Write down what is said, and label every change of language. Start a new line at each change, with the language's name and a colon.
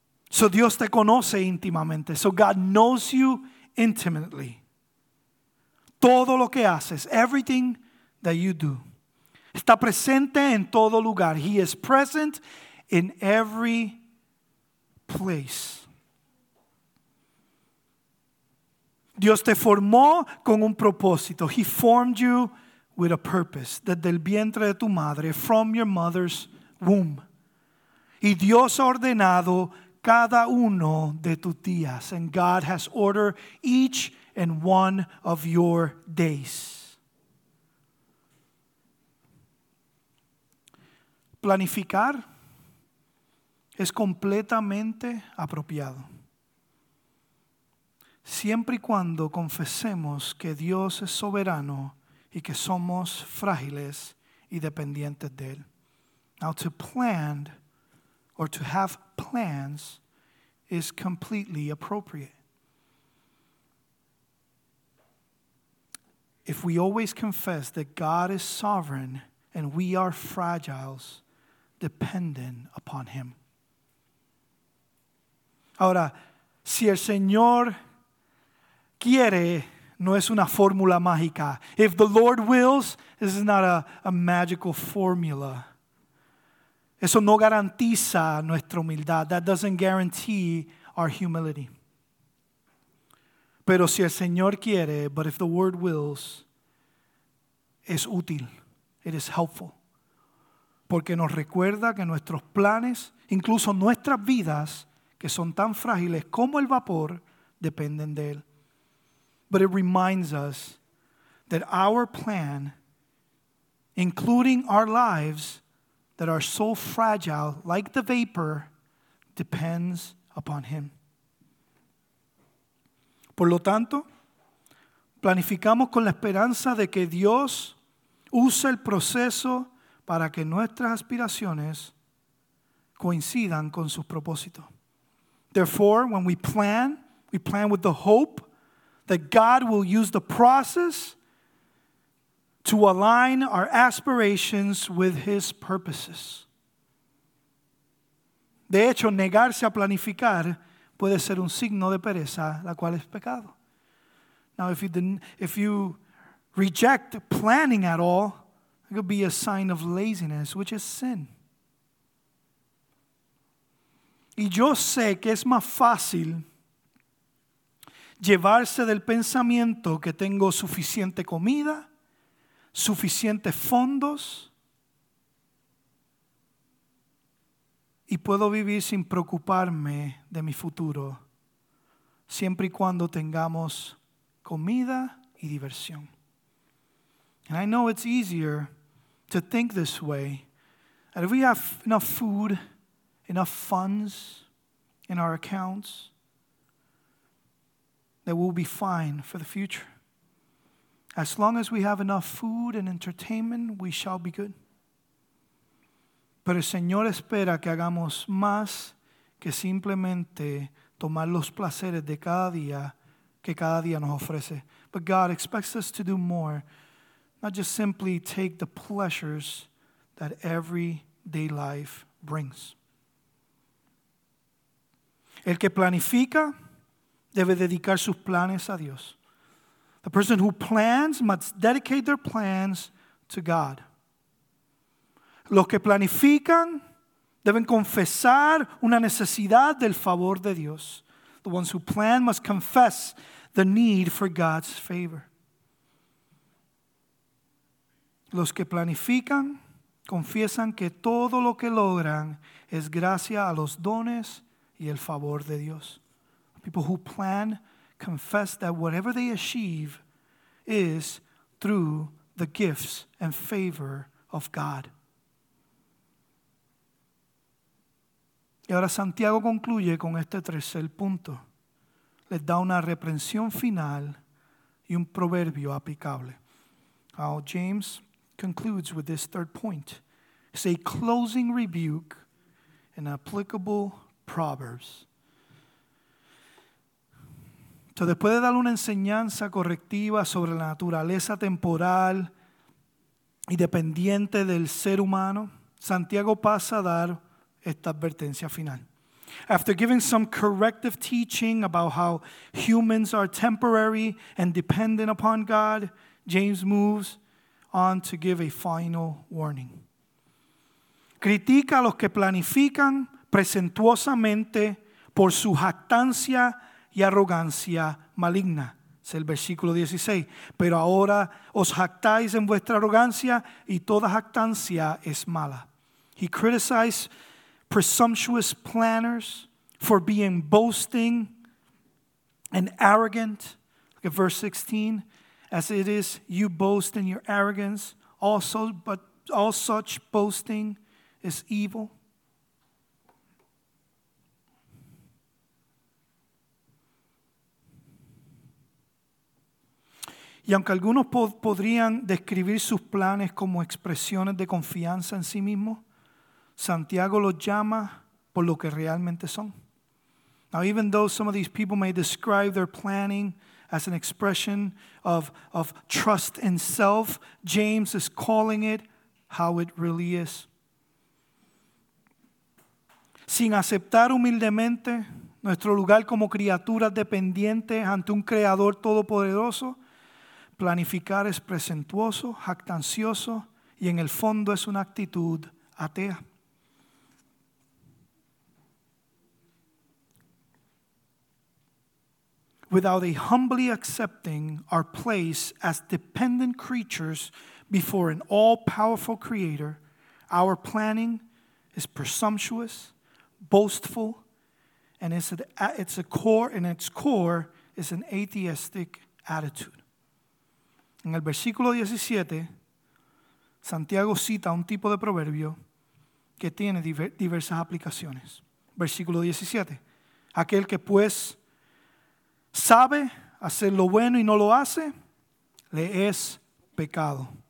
Spanish: So Dios te conoce íntimamente.
English: So God knows you intimately.
Spanish: Todo lo que haces,
English: everything that you do,
Spanish: está presente en todo lugar.
English: He is present in every place.
Spanish: Dios te formó con un propósito.
English: He formed you with a purpose.
Spanish: Desde el vientre de tu madre,
English: from your mother's womb.
Spanish: Y Dios ha ordenado cada uno de tus días.
English: And God has ordered each and one of your days.
Spanish: Planificar es completamente apropiado. Siempre y cuando confesemos que Dios es soberano y que somos frágiles y dependientes de Él.
English: Now to plan or to have plans is completely appropriate. If we always confess that God is sovereign and we are fragile, dependent upon Him.
Spanish: Ahora, si el Señor quiere, no es una fórmula mágica.
English: If the Lord wills, this is not a magical formula.
Spanish: Eso no garantiza nuestra humildad.
English: That doesn't guarantee our humility.
Spanish: Pero si el Señor quiere,
English: but if the word wills,
Spanish: es útil.
English: It is helpful.
Spanish: Porque nos recuerda que nuestros planes, incluso nuestras vidas, que son tan frágiles como el vapor, dependen de Él.
English: But it reminds us that our plan, including our lives, that are so fragile, like the vapor, depends upon Him.
Spanish: Por lo tanto, planificamos con la esperanza de que Dios use el proceso para que nuestras aspiraciones coincidan con sus propósitos.
English: Therefore, when we plan with the hope that God will use the process to align our aspirations with His purposes.
Spanish: De hecho, negarse a planificar puede ser un signo de pereza, la cual es pecado.
English: Now, if you reject planning at all, it could be a sign of laziness, which is sin.
Spanish: Y yo sé que es más fácil llevarse del pensamiento que tengo suficiente comida, suficientes fondos, y puedo vivir sin preocuparme de mi futuro, siempre y cuando tengamos comida y diversión.
English: And I know it's easier to think this way, that if we have enough food, enough funds in our accounts, that we'll be fine for the future. As long as we have enough food and entertainment, we shall be good.
Spanish: Pero el Señor espera que hagamos más que simplemente tomar los placeres de cada día que cada día nos ofrece.
English: But God expects us to do more, not just simply take the pleasures that everyday life brings.
Spanish: El que planifica debe dedicar sus planes a Dios.
English: The person who plans must dedicate their plans to God.
Spanish: Los que planifican deben confesar una necesidad del favor de Dios.
English: The ones who plan must confess the need for God's favor.
Spanish: Los que planifican confiesan que todo lo que logran es gracias a los dones y el favor de Dios.
English: People who plan confess that whatever they achieve is through the gifts and favor of God.
Spanish: Y ahora Santiago concluye con este tercer punto. Les da una reprensión final y un proverbio aplicable.
English: Now James concludes with this third point. It's a closing rebuke and applicable proverbs.
Spanish: Entonces, después de dar una enseñanza correctiva sobre la naturaleza temporal y dependiente del ser humano, Santiago pasa a dar esta advertencia final.
English: After giving some corrective teaching about how humans are temporary and dependent upon God, James moves on to give a final warning.
Spanish: Critica a los que planifican presuntuosamente por su jactancia y arrogancia maligna. Es el versículo 16. Pero ahora os jactáis en vuestra arrogancia y toda jactancia es mala.
English: He criticized presumptuous planners for being boasting and arrogant. Look at verse 16. As it is, you boast in your arrogance. Also, but all such boasting is evil.
Spanish: Y aunque algunos podrían describir sus planes como expresiones de confianza en sí mismos, Santiago los llama por lo que realmente son.
English: Now, even though some of these people may describe their planning as an expression of trust in self, James is calling it how it really is.
Spanish: Sin aceptar humildemente nuestro lugar como criaturas dependientes ante un creador todopoderoso, planificar es presuntuoso, jactancioso, y en el fondo es una actitud atea.
English: Without a humbly accepting our place as dependent creatures before an all-powerful creator, our planning is presumptuous, boastful, and its core is an atheistic attitude.
Spanish: En el versículo 17, Santiago cita un tipo de proverbio que tiene diversas aplicaciones. Versículo 17, aquel que pues sabe hacer lo bueno y no lo hace, le es pecado.